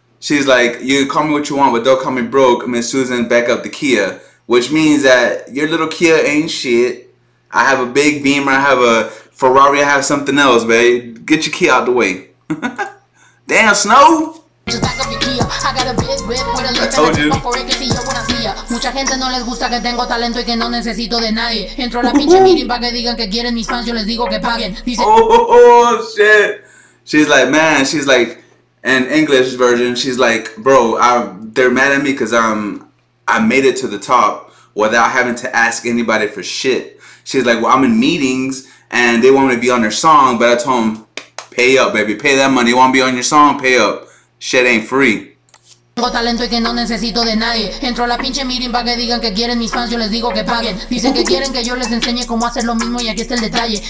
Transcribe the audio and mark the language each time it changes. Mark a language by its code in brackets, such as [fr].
[en] She's like, you call me what you want, but don't call me broke. Miss Susan, back up the Kia. Which means that your little Kia ain't shit. I have a big Beamer, I have a Ferrari, I have something else, babe. Get your Kia out the way. Damn, Snow. Just back up your Kia. I got a big whip with a lift and I jump up for it cause see you when I see ya. [es] Mucha gente no les gusta que tengo talento y que no necesito de nadie. Entro a la pinche meeting pa' que digan que quieren mis fans, yo les digo que paguen. [en] Dice, oh shit. She's like, man, she's like, an English version, she's like, bro, they're mad at me because I made it to the top without having to ask anybody for shit. She's like, well, I'm in meetings and they want me to be on their song, but I told them, pay up, baby, pay that money. You want to be on your song, pay up. Shit ain't free. [es] Tengo talento y que no necesito de nadie. Entro a la pinche meeting pa' que digan que quieren mis fans, yo les digo que paguen. Dicen que quieren que yo les enseñe cómo hacer lo mismo y aquí está el detalle.